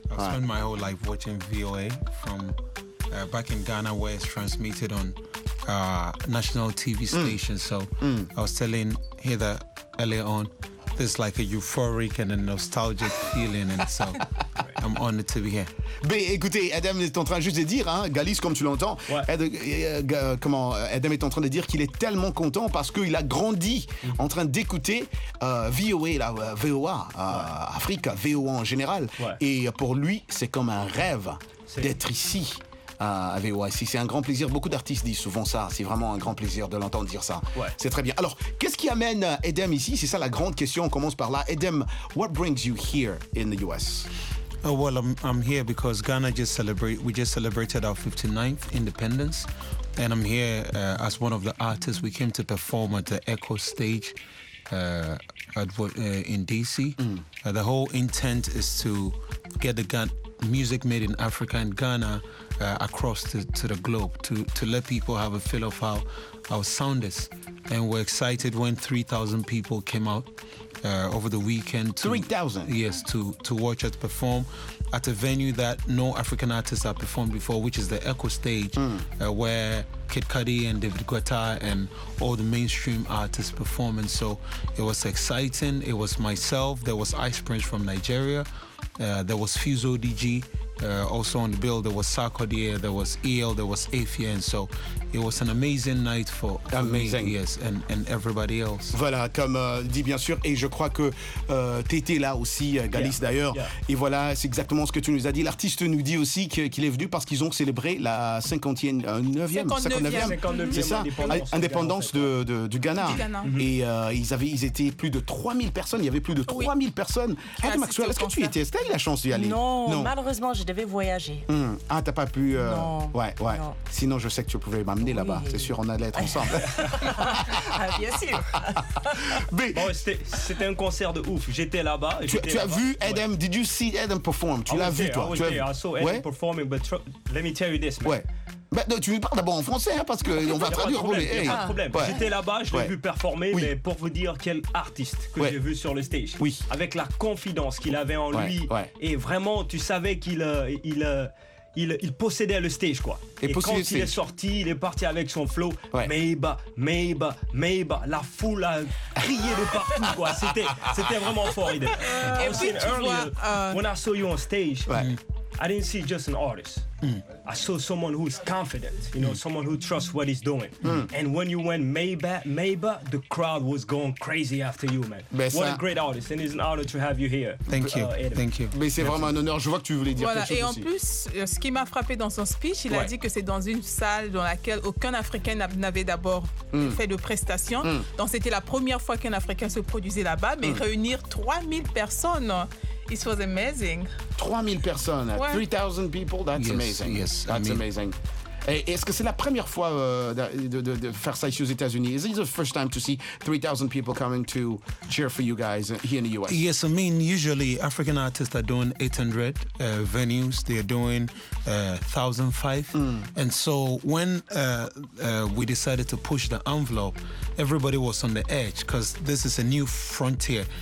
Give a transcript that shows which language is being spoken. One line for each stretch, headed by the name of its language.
English: I've spent my whole life watching VOA from back in Ghana, where it's transmitted on national TV stations. Mm. So I was telling Heather earlier on, there's like a euphoric and a nostalgic feeling, and so I'm honored to be here.
French: Mais écoutez, Edem est en train juste de dire, hein, Galice, comme tu l'entends, Edem est en train de dire qu'il est tellement content parce qu'il a grandi en train d'écouter VOA, la VOA, Afrique, VOA en général. Ouais. Et pour lui, c'est comme un rêve d'être ici. C'est un grand plaisir. Beaucoup d'artistes disent souvent ça. C'est vraiment un grand plaisir de l'entendre dire ça. Ouais. C'est très bien. Alors, qu'est-ce qui amène Edem ici? C'est ça la grande question. On commence par là.
English: Edem, what brings you here in the US? Oh, well, I'm here because Ghana just celebrated our 59th independence. And I'm here as one of the artists. We came to perform at the Echo Stage in DC. Mm. The whole intent is to get the music made in Africa and Ghana across to the globe, to let people have a feel of how our sound is. And we're excited when 3,000 people came out over the weekend. 3,000? Yes, to watch us perform at a venue that no African artists have performed before, which is the Echo Stage, where Kid Cudi and David Guetta and all the mainstream artists perform. And so it was exciting. It was myself. There was Ice Prince from Nigeria. There was Fuse ODG. Also on the bill, there was Sarkodie, there was EL, there was Afia, and so it was an amazing night for amazing, me, yes, and everybody else.
French: Voilà, comme dit bien sûr, et je crois que t'étais là aussi, Galice,
English: yeah,
French: d'ailleurs,
English: yeah.
French: Et voilà, c'est exactement ce que tu nous as dit. L'artiste nous dit aussi qu'il est venu parce qu'ils ont célébré la 59e c'est ça, indépendance du Ghana. Mm-hmm. Et ils étaient plus de 3000 personnes, il y avait plus de 3000 oui. personnes. Hey, Maxwell, est-ce que tu y étais? Est-ce que tu as eu la chance d'y aller? Non, malheureusement, je devais voyager. Mmh. Ah, t'as pas pu. Non. Ouais, ouais. Non. Sinon, je sais que tu pouvais m'amener là-bas. C'est sûr, on allait être ensemble. Bien sûr. Mais... Bon, c'était un concert de ouf. J'étais là-bas. Tu as vu Edem? Ouais.
English: Did you see Edem perform?
French: Tu l'as vu, toi?
English: I was there. I saw Edem performing, but let me tell you this, man.
French: Ouais. Bah, non, tu me parles d'abord en français, hein, parce qu'on va traduire. Il n'y a pas de problème. Ouais. J'étais là-bas, je l'ai vu performer, mais pour vous dire quel artiste que j'ai vu sur le stage. Oui. Avec la confiance qu'il avait en lui. Ouais. Et vraiment, tu savais qu'il possédait le stage, quoi. Et quand il est sorti, il est parti avec son flow. Ouais. Maiba. La foule a crié de partout, quoi. C'était vraiment fort. Et aussi,
English: when I saw you on stage,
French: ouais.
English: I didn't see just an artist. Mm. I saw someone who's confident, you know, someone who trusts what he's doing. Mm. And when you went Maybe, the crowd was going crazy after you, man.
French: Mais
English: what
French: ça...
English: a great artist, and it's an honor to have you here. Thank you. Thank you.
French: Mais c'est vraiment un honneur. Je vois que tu voulais dire voilà. quelque chose Et aussi. En plus, ce qui m'a frappé dans son speech, il a dit que c'est dans une salle dans laquelle aucun Africain n'avait d'abord fait de prestation. Mm. Donc c'était la première fois qu'un Africain se produisait là-bas, mais réunir 3000 personnes.
English: It was amazing.
French: 3000 personnes,
English: 3000 people, that's amazing. Yes, that's amazing.
French: Et est-ce que c'est la première fois de faire ça ici aux États-Unis?
English: Is it the first time to see 3,000 people coming to cheer for you guys here in the US? Yes, I mean, usually African artists are doing 800 venues. They're doing 1,005. Mm. And so when we decided to push the envelope, everybody was on the edge because this is a new frontier.